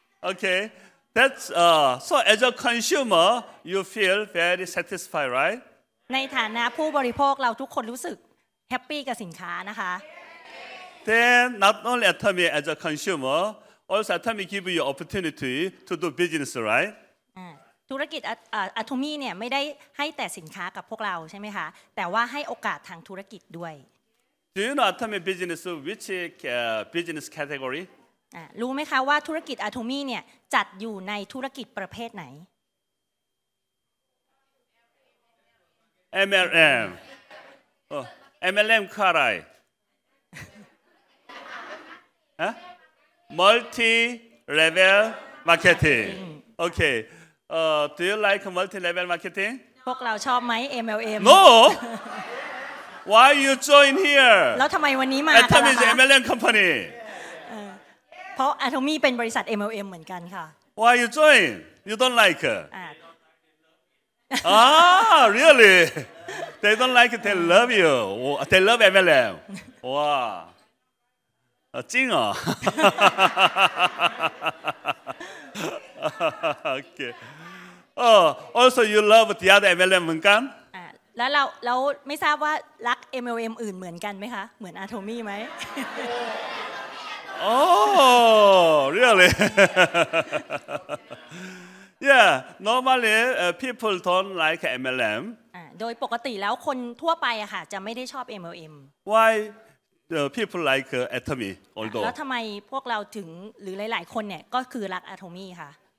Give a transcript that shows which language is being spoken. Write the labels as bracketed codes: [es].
[en] Okay, that's so as a consumer, you feel very satisfied, right? [th] ในฐานะผู้บริโภคเราทุกคนรู้สึกแฮปปี้กับสินค้านะคะ [en] Then not only Atomy as a consumer, also Atomy give you opportunity to do business, right? [th] ธุรกิจAtomy เนี่ยไม่ได้ให้แต่สินค้ากับพวกเราใช่ไหมคะแต่ว่าให้โอกาสทางธุรกิจด้วย [en] Do you know Atomy business which business category? [th] รู้ไหมคะว่าธุรกิจ Atomy เนี่ยจัดอยู่ในธุรกิจประเภทไหน [en] MLM MLM [th] คืออะไรฮะ [en] Multi level marketing Okay Do you like multi level marketing? [th] พวกเราชอบไหม MLM [en] No Why you join here? [th] แล้วทำไมวันนี้มา [en] Atomy is MLM company. [th] เพราะ Atomy เป็นบริษัท MLM เหมือนกันค่ะ [en] Why you join? You don't like? really? They don't like. They love you. They love MLM. Wow. [th] จริงเหรอ Okay. [en] Also you love the other MLM [th] เหมือนกัน แล้วเราไม่ทราบว่ารัก MLM อื่นเหมือนกันไหมคะเหมือน Atomy ไหม [en] โอ้ really yeah normally people don't like MLM [th] โดยปกติแล้วคนทั่วไปอะค่ะจะไม่ได้ชอบ MLM [en] why the people like Atomy although [th] แล้วทำไมพวกเราถึงหรือหลายๆคนเนี่ยก็คือรัก Atomy ค่ะ